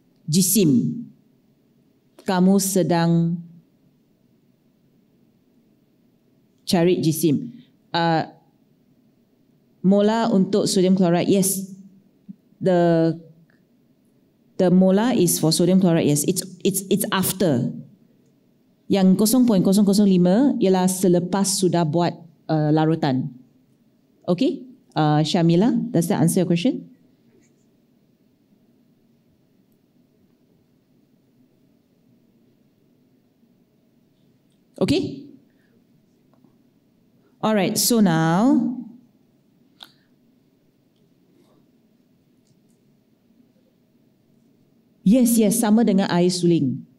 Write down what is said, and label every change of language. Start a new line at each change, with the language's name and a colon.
Malay: Jisim. Kamu sedang cari jisim. Mola untuk sodium chloride.
English: Yes. The molar is for sodium chloride, yes. It's after.
Malay: Yang 0.005 ialah selepas sudah buat larutan.
English: Okay? Syamila, does that answer your question? Okay? All right, so now yes, yes,
Malay: sama dengan air suling.